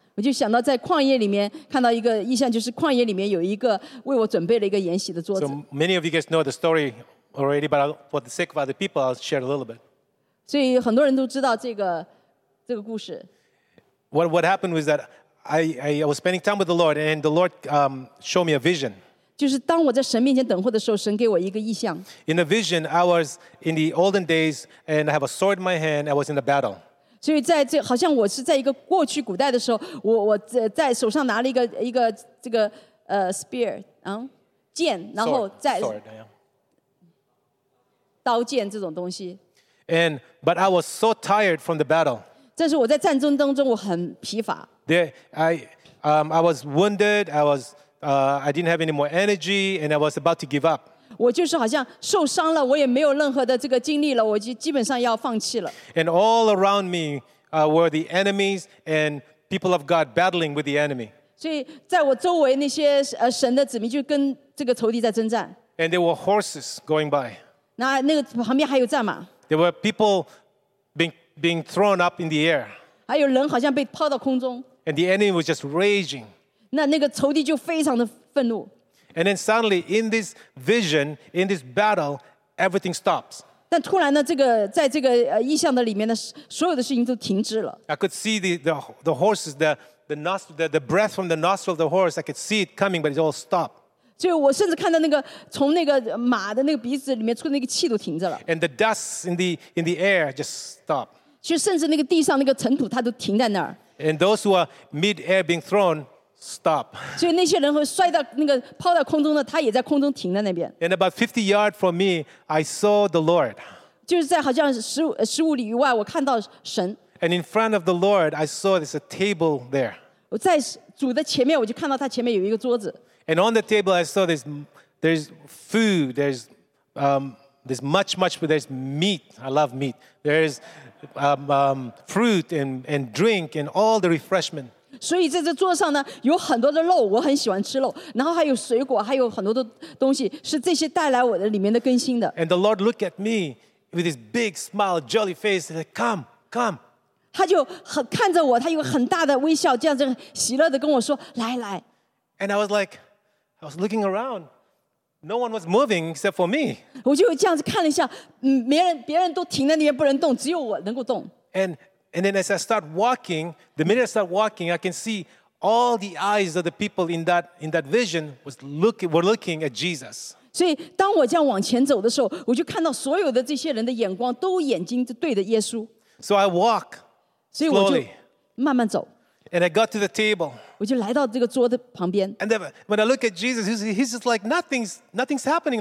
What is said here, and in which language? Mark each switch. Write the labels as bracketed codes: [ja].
[zh] 我就想到在旷野里面看到一个意象，就是旷野里面有一个为我准备了一个筵席的桌子。 [en] So many of you guys know the story already, but for the sake of other people, I'll share a little bit. [zh] 所以很多人都知道这个故事。 [en] What happened was that I was spending time with the Lord, and the Lord showed me a vision. [zh] 就是当我在神面前等候的时候，神给我一个意象。 [en] In a vision, I was in the olden days, and I have a sword in my hand. I was in a battle. [zh] 所以在这好像我是在一个过去古代的时候我在手上拿了一个这个spear 剑然后在 [en] sword, yeah. [zh] 刀剑这种东西 [en] and but I was so tired from the battle [zh] 这是我在战争当中我很疲乏 [en] I was wounded I didn't have any more energy and I was about to give up [zh] 我就是好像受伤了，我也没有任何的这个精力了，我就基本上要放弃了。 [en] And all around me were the enemies and people of God battling with the enemy. [zh] 所以在我周围那些神的子民就跟这个仇敌在征战。 [en] And there were horses going by. [zh] 那个旁边还有战马。 [en] There were people being thrown up in the air. [zh] 还有人好像被抛到空中。 [en] And the enemy was just raging. [zh] 那个仇敌就非常的愤怒。 [en] And then suddenly, in this vision, in this battle, everything stops. [zh] 但突然呢，这个在这个意象的里面呢，所有的事情都停止了。 [en] I could see the horses, the nostril, the breath from the nostril of the horse. I could see it coming, but it all stopped. [zh] 就我甚至看到那个从那个马的那个鼻子里面出的那个气都停止了。 [en] And the dust in the air just stopped. [zh] 就甚至那个地上那个尘土，它都停在那儿。 [en] And those who are mid air being thrown. Stop. [zh] 所以那些人会摔到那个抛到空中的，他也在空中停在那边。 [en] And about 50 yards from me, I saw the Lord. [zh] 就是在好像十五里以外，我看到神。 [en] And in front of the Lord, I saw there's a table there. [zh] 我在主的前面，我就看到他前面有一个桌子。 [en] And on the table, I saw there's food, there's much, but there's meat. I love meat. There's fruit and drink and all the refreshment. [zh] 所以在这桌上呢，有很多的肉，我很喜欢吃肉。然后还有水果，还有很多的东西，是这些带来我的里面的更新的。 [en] And the Lord looked at me with his big smile, jolly face, and said, "Come, come." [zh] 他就很看着我，他有很大的微笑，这样子喜乐的跟我说：“来来。” [en] And I was like, I was looking around. No one was moving except for me. [zh] 我就这样子看了一下，别人都停在那边不能动，只有我能够动。 [en] And then as I start walking, the minute I start walking, I can see all the eyes of the people in that vision were looking at Jesus. [zh] 所以当我这样往前走的时候，我就看到所有的这些人的眼光都眼睛对着耶稣。 [en] So I walk. Slowly. And I got to the table. And then when I look at Jesus, he's just like, nothing's happening.